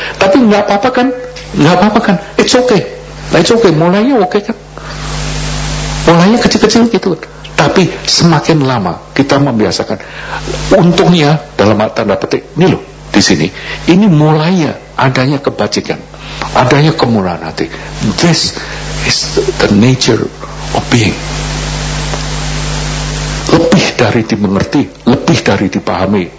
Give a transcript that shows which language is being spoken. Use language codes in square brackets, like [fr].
[id] Tapi enggak apa-apa kan? Enggak apa-apa kan? [en] It's okay, [id] mulainya oke kan? Mulainya kecil-kecil gitu kan? Tapi semakin lama kita membiasakan, untungnya dalam tanda petik, ini loh, di sini, ini mulainya adanya kebajikan, adanya kemurahan hati. [en] This is the nature of being. [id] Lebih dari dimengerti, lebih dari dipahami.